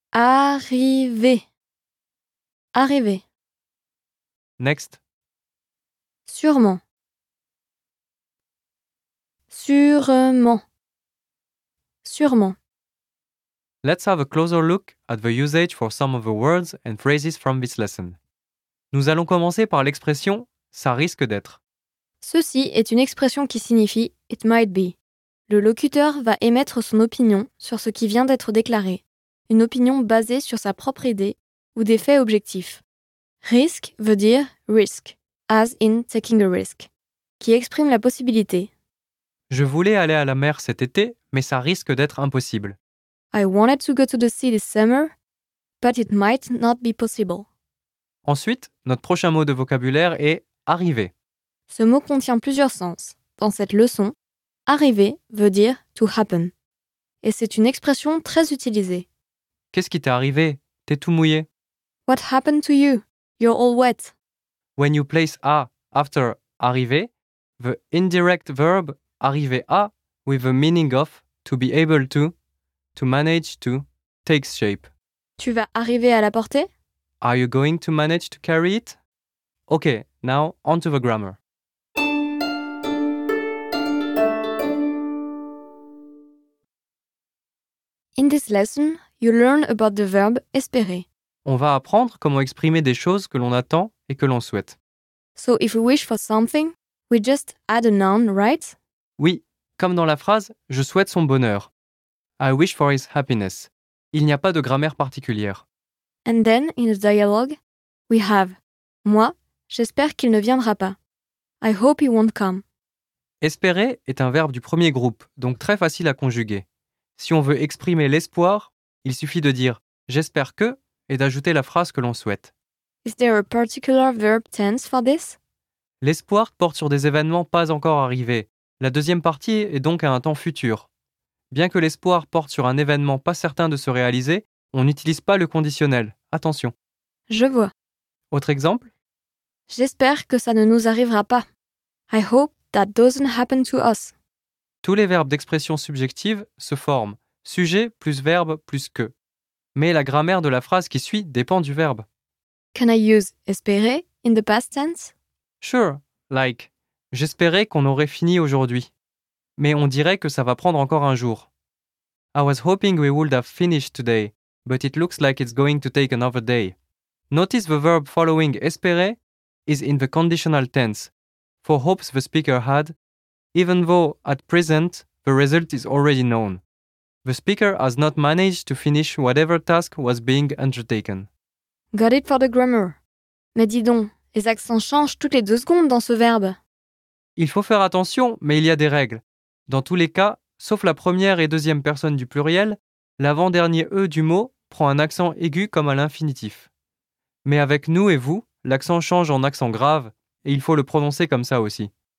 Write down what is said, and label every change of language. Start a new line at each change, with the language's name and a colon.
French: Arriver. Arriver.
English: Next.
French: Sûrement. Sûrement. Sûrement.
English: Let's have a closer look at the usage for some of the words and phrases from this lesson.
French: Nous allons commencer par l'expression « ça risque d'être ». Ceci est une expression qui signifie «
English: it might be ».
French: Le locuteur va émettre son opinion sur ce qui vient d'être déclaré, une opinion basée sur sa propre idée ou des faits objectifs. « Risque » veut dire « risk »,
English: as in « taking a risk »,
French: qui exprime la possibilité. Je voulais aller à la mer cet été, mais ça risque d'être impossible.
English: I wanted to go to the sea this summer, but it might not be possible.
French: Ensuite, notre prochain mot de vocabulaire est « arriver ». Ce mot contient plusieurs sens. Dans cette leçon, « arriver » veut dire «
English: to happen ».
French: Et c'est une expression très utilisée. Qu'est-ce qui t'est arrivé? T'es tout mouillé.
English: What happened to you? You're all wet. When you place « a » after « arriver », the indirect verb « arriver à » with the meaning of « to be able to » to manage to, takes shape.
French: Tu vas arriver à la porter?
English: Are you going to manage to carry it? Okay, now on to the grammar. In this lesson, you learn about the verb espérer.
French: On va apprendre comment exprimer des choses que l'on attend et que l'on souhaite.
English: So if we wish for something, we just add a noun, right?
French: Oui, comme dans la phrase, je souhaite son bonheur.
English: I wish for his happiness.
French: Il n'y a pas de grammaire particulière.
English: And then, in the dialogue, we have
French: moi, j'espère qu'il ne viendra pas.
English: I hope he won't come.
French: Espérer est un verbe du premier groupe, donc très facile à conjuguer. Si on veut exprimer l'espoir, il suffit de dire j'espère que et d'ajouter la phrase que l'on souhaite.
English: Is there a particular verb tense for this?
French: L'espoir porte sur des événements pas encore arrivés. La deuxième partie est donc à un temps futur. Bien que l'espoir porte sur un événement pas certain de se réaliser, on n'utilise pas le conditionnel. Attention. Je vois. Autre exemple? J'espère que ça ne nous arrivera pas.
English: I hope that doesn't happen to us.
French: Tous les verbes d'expression subjective se forment. Sujet plus verbe plus que. Mais la grammaire de la phrase qui suit dépend du verbe.
English: Can I use espérer in the past tense? Sure, like
French: j'espérais qu'on aurait fini aujourd'hui. Mais on dirait que ça va prendre encore un jour.
English: I was hoping we would have finished today, but it looks like it's going to take another day. Notice the verb following espérer is in the conditional tense, for hopes the speaker had, even though at present the result is already known. The speaker has not managed to finish whatever task was being undertaken. Got it for the grammar.
French: Mais dis donc, les accents changent toutes les deux secondes dans ce verbe. Il faut faire attention, mais il y a des règles. Dans tous les cas, sauf la première et deuxième personne du pluriel, l'avant-dernier « e » du mot prend un accent aigu comme à l'infinitif. Mais avec « nous » et « vous », l'accent change en accent grave et il faut le prononcer comme ça aussi.